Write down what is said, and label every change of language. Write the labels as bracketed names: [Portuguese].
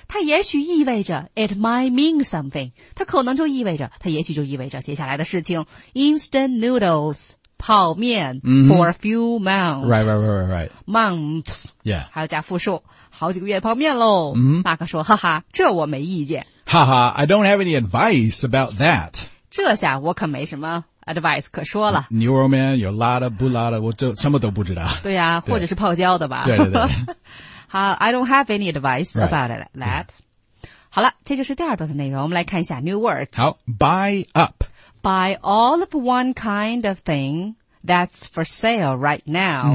[Chinese] 它也许意味着 [English] it might mean something. [Chinese] 它可能就意味着，它也许就意味着接下来的事情 instant noodles. 泡面、 [English] mm-hmm. for a few months. Right, right, right, right, right. Months. Yeah. [Chinese] 还要加复数。好几个月泡面喽。嗯。马克说哈哈这我没意见。 [English] 哈哈 I don't have any advice about that. [Chinese] 这下我可没什么 advice 可说了。牛肉面有辣的不辣的我就什么都不知道。对呀、啊、或者是泡椒的吧。对对对。 [English] 好 I don't have any advice about、 right. [Chinese] that.、Yeah. 好了这就是第二段的内容我们来看一下 new words. [English] 好 buy up. Buy all of one kind of thing that's for sale right now.、